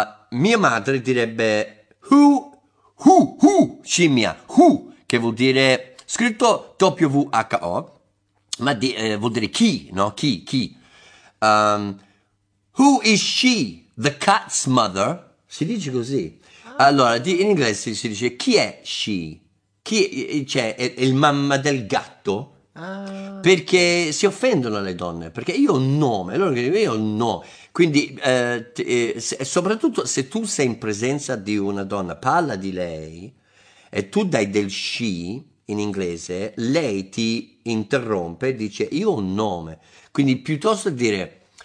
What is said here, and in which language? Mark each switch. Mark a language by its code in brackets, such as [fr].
[it] Mia madre direbbe, who, scimmia, who, che vuol dire, scritto W-H-O, ma vuol dire chi, no? Chi. [en] Who is she, the cat's mother? [it] Si dice così. Allora, in inglese si dice, chi è she? Chi cioè, è il mamma del gatto? Ah. Perché si offendono le donne, perché io ho un nome, loro dicono io ho un nome. Quindi, soprattutto se tu sei in presenza di una donna, parla di lei e tu dai del she in inglese, lei ti interrompe e dice io ho un nome. Quindi piuttosto dire